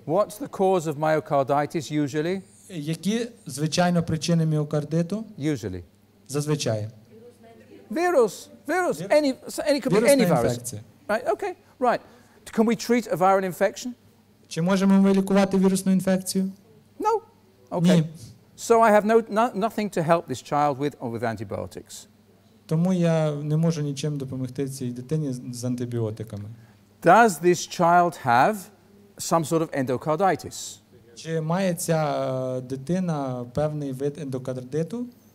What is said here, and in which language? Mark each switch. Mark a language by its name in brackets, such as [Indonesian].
[English] What's the cause of myocarditis usually? [Ukrainian] Які звичайно причини міокардиту? [English] Usually. [Ukrainian] Зазвичай. [English] Virus, any could be any virus. Right, okay, right. Can we treat a viral infection? [Ukrainian] Чи можемо ми лікувати вірусну інфекцію? [English] No. Okay. So I have nothing to help this child with antibiotics. [Ukrainian] Тому я не можу нічим допомогти цій дитині з антибіотиками. [English] Does this child have some sort of endocarditis? [Ukrainian] Чи має ця дитина певний вид ендокардиту?